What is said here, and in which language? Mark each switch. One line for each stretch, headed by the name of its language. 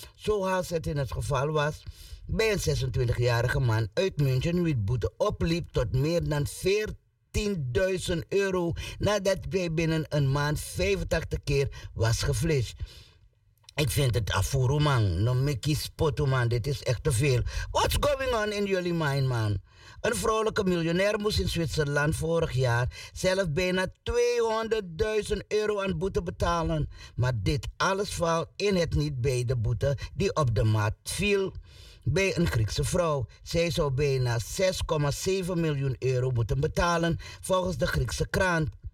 Dutch: Zoals het in het geval was bij een 26-jarige man uit München, wie de boete opliep tot meer dan 10.000 euro nadat hij binnen een maand 85 keer was geflasht. Ik vind het afvoer, man. No Mickey Spoto, man. Dit is echt te veel.
English: What's going on in
Dutch: jullie
English: mind, man?
Dutch: Een vrolijke miljonair moest in Zwitserland vorig jaar zelf bijna 200.000 euro aan boete betalen. Maar dit alles valt in het niet bij de boete die op de mat viel bij een Griekse vrouw. Zij zou bijna 6,7 miljoen euro moeten betalen volgens de Griekse krant.